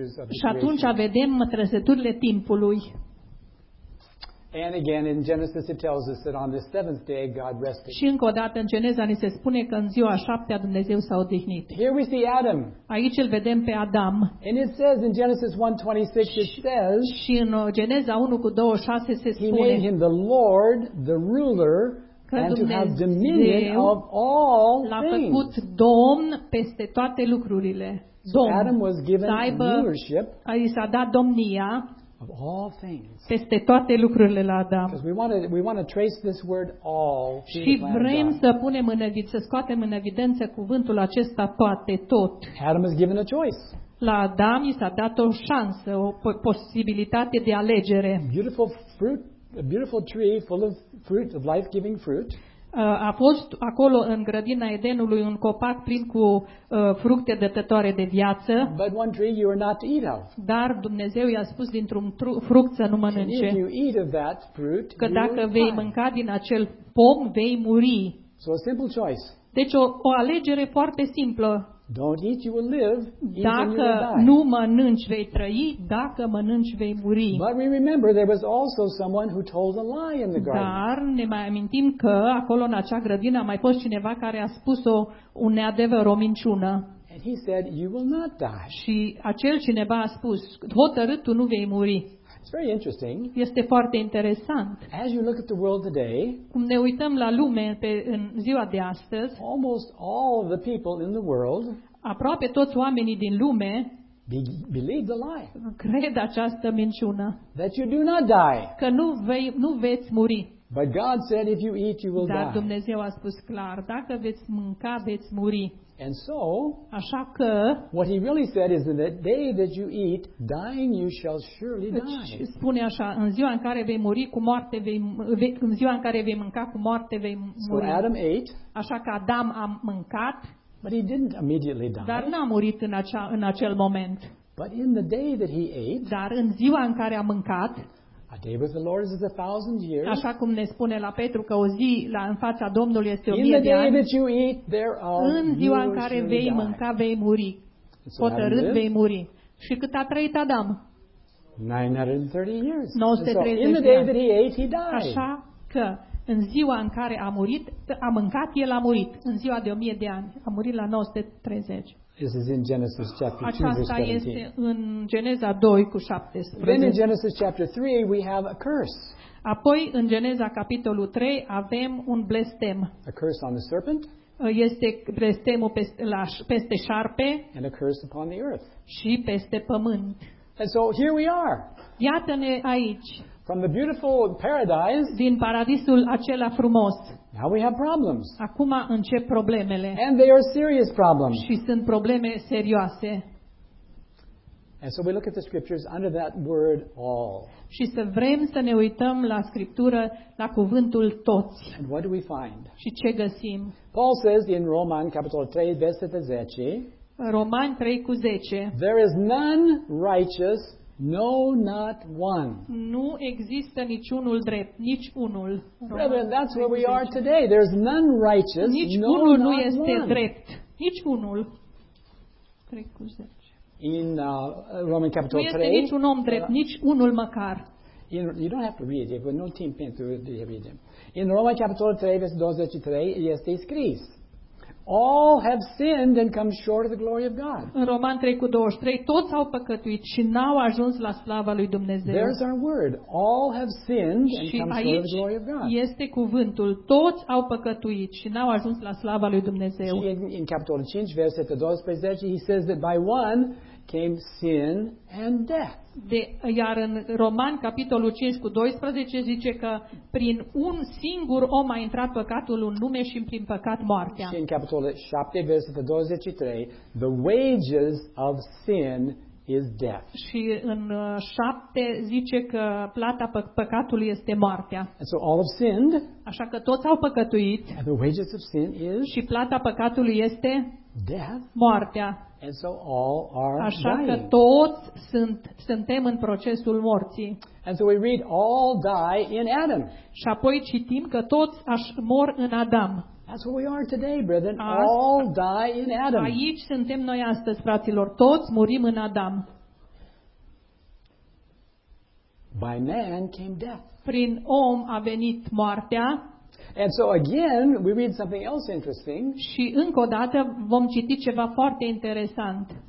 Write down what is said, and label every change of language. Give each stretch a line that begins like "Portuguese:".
Romanian: Și atunci vedem trăsăturile timpului.
English: And again in Genesis it tells us that on the seventh day God rested.
Romanian: Și încă o dată în Geneza ni se spune că în ziua a șaptea Dumnezeu s-a odihnit.
English: Here we see Adam.
Romanian: Aici îl vedem pe Adam.
English: And it says in Genesis 1:26 it says.
Romanian: Și în Geneza 1:26 se spune.
English: He made him the Lord, the ruler, and to have dominion of all things.
Romanian: L-a făcut domn peste toate lucrurile. Domn.
English: So Adam was given rulership.
Romanian: I s-a dat domnia.
English: Of all things.
Romanian: Peste toate lucrurile la Adam.
English: Because we want to trace this word all.
Romanian: Și vrem să punem în evidență, să scoatem în evidență cuvântul acesta toate, tot.
English: Adam is given a choice.
Romanian: La Adam i s-a dat o șansă, o posibilitate de alegere.
English: Beautiful fruit, a beautiful tree full of fruit, of life-giving fruit.
Romanian: A fost acolo în grădina Edenului un copac plin cu fructe dătătoare de viață.
English: But one tree you are not to eat of.
Romanian: Dar Dumnezeu i-a spus dintr-un fruct să nu mănânce.
English: And if you eat of that fruit,
Romanian: că dacă vei mânca din acel pom, vei muri.
English: So a simple choice.
Romanian: Deci o alegere foarte simplă.
English: Don't eat, you will live.
Romanian: Dacă nu mănânci, vei trăi. Dacă mănânci, vei muri.
English: But we remember there was also someone who told a lie in the garden.
Romanian: Dar ne mai amintim că acolo în acea grădină a mai fost cineva care a spus o neadevăr, o minciună.
English: And he said, you will not die.
Romanian: Și acel cineva a spus, hotărât, tu nu vei muri.
English: It's very interesting.
Romanian: Este foarte interesant.
English: As you look at the world today,
Romanian: cum ne uităm la lume în ziua de astăzi,
English: almost all of the people in the world,
Romanian: aproape toți oamenii din lume,
English: believe the lie.
Romanian: Cred această minciună.
English: That you do not die.
Romanian: Că nu veți muri.
English: But God said, if you eat, you will die.
Romanian: Dar Dumnezeu a spus clar, dacă veți mânca, veți muri.
English: And so,
Romanian: așa că,
English: what he really said is that the day that you eat, dying you shall surely die.
Romanian: Spune așa, în ziua în care vei muri cu moarte în ziua în care vei mânca cu moarte vei muri.
English: So Adam ate.
Romanian: Așa că Adam a mâncat.
English: But he didn't immediately die.
Romanian: Dar n-a murit în acel moment.
English: But in the day that he ate,
Romanian: dar în ziua în care a mâncat,
English: a day with the Lord is 1,000 years.
Romanian: Așa cum ne spune la Petru că o zi la în fața Domnului este 1,000 de ani.
English: In the day that you eat thereof,
Romanian: în ziua în care vei mânca, vei muri. Hotărât, vei muri. Și cât a trăit Adam?
English: 930 years.
Romanian: 930 de ani.
English: In the day that he ate, he died.
Romanian: Așa că în ziua în care a murit, a mâncat, el a murit. În ziua de 1,000 de ani, a murit la 930.
English: This is in Genesis chapter 2, verse 17.
Romanian: Aceasta este în Geneza 2 cu 17.
English: Then in Genesis chapter 3 we have a curse.
Romanian: Apoi în Geneza capitolul 3 avem un blestem.
English: A curse on the serpent.
Romanian: Este blestemul peste șarpe.
English: And a curse upon the earth.
Romanian: Și peste pământ.
English: And so here we are.
Romanian: Iată-ne aici.
English: From the beautiful paradise.
Romanian: Din paradisul acela frumos.
English: Now we have problems.
Romanian: Acum încep problemele.
English: And they are serious problems.
Romanian: Și sunt probleme serioase.
English: And so we look at the scriptures under that word all.
Romanian: Și să vrem să ne uităm la scriptură, la cuvântul toți.
English: And what do we find?
Romanian: Și ce găsim?
English: Paul says in Romans chapter 3 verse 10.
Romanian: Romani 3 cu 10.
English: There is none righteous. No, not one.
Romanian: Nu există niciunul drept, nici unul.
English: Brethren, that's where we are today. There's none righteous.
Romanian: Nici
English: no,
Romanian: unul
English: not
Romanian: nu este
English: one.
Romanian: Drept, nici unul.
English: In Roman capital 3.
Romanian: Nu este niciun om drept, nici unul măcar.
English: You don't have to read it. We're no team
Romanian: pentru de
English: read it. In Roman capital 3, verse 23,
Romanian: este scris.
English: All have sinned and come short of the glory of God.
Romanian: În Roman 3:23, toți au păcătuit și n-au ajuns la slava lui Dumnezeu.
English: There's our word. All have sinned and come short of the glory of God.
Romanian: Și aici este cuvântul. Toți au păcătuit și n-au ajuns la slava lui Dumnezeu. In capitolul 5, versetul 12,
English: he says that by one came sin and death.
Romanian: Iar în Roman capitolul 5 cu 12 zice că prin un singur om a intrat păcatul în lume și prin păcat moartea. Și în capitolul 7 versetul 23,
English: the wages of sin is death.
Romanian: Și în 7 zice că plata păcatului este moartea.
English: And so all have sinned.
Romanian: Așa că toți au păcătuit.
English: And the wages of sin is.
Romanian: Și plata păcatului este
English: death.
Romanian: Moartea.
English: And so all are dying.
Romanian: Așa că toți suntem în procesul morții.
English: And so we read all die in Adam.
Romanian: Și apoi citim că toți mor în Adam.
English: That's where we are today, brethren. All die in Adam.
Romanian: Aici suntem noi astăzi, fraților. Toți murim în Adam.
English: By man came death.
Romanian: Prin om a venit moartea.
English: And so again, we read something else interesting.
Romanian: Și încă o dată vom citi ceva foarte interesant.